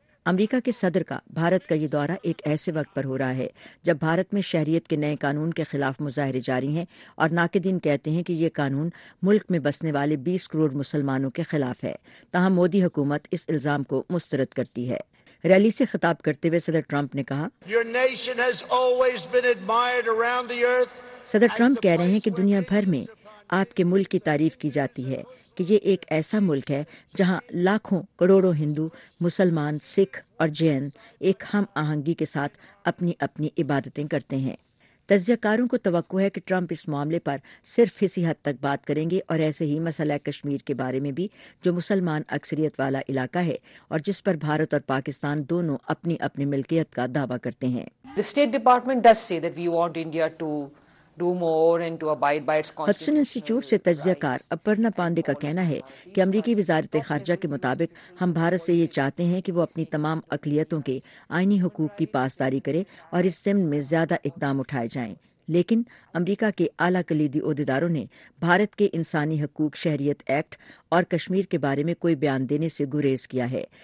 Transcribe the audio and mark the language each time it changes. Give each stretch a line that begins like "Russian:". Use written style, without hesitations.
Urdu: امریکہ کے صدر کا بھارت کا یہ دورہ ایک ایسے وقت پر ہو رہا ہے جب بھارت میں شہریت کے نئے قانون کے خلاف مظاہرے جاری ہیں اور ناقدین کہتے ہیں کہ یہ قانون ملک میں بسنے والے 20 کروڑ مسلمانوں کے خلاف ہے. تاہم مودی حکومت اس الزام کو مسترد کرتی ہے. ریلی سے خطاب کرتے ہوئے صدر ٹرمپ نے کہا،
English: Your nation has always been admired around the earth.
Urdu: صدر ٹرمپ کہہ رہے ہیں کہ دنیا بھر میں آپ کے ملک کی تعریف کی جاتی ہے کہ یہ ایک ایسا ملک ہے جہاں لاکھوں کروڑوں ہندو، مسلمان، سکھ اور جین ایک ہم آہنگی کے ساتھ اپنی اپنی عبادتیں کرتے ہیں. تجزیہ کاروں کو توقع ہے کہ ٹرمپ اس معاملے پر صرف اسی حد تک بات کریں گے اور ایسے ہی مسئلہ کشمیر کے بارے میں بھی، جو مسلمان اکثریت والا علاقہ ہے اور جس پر بھارت اور پاکستان دونوں اپنی اپنی ملکیت کا دعویٰ کرتے ہیں.
English: The State Department does say that we want India to do more and to abide by its constitution.
Urdu: Hudson institute سے تجزیہ کار اپرنا پانڈے کا کہنا ہے کہ امریکی وزارت خارجہ کے مطابق ہم بھارت سے یہ چاہتے ہیں کہ وہ اپنی تمام اقلیتوں کے آئینی حقوق کی پاسداری کرے اور اس ضمن میں زیادہ اقدام اٹھائے جائیں، لیکن امریکہ کے اعلی کلیدی عہدیداروں نے بھارت کے انسانی حقوق شہریت ایکٹ اور کشمیر کے بارے میں کوئی بیان دینے سے گریز کیا ہے.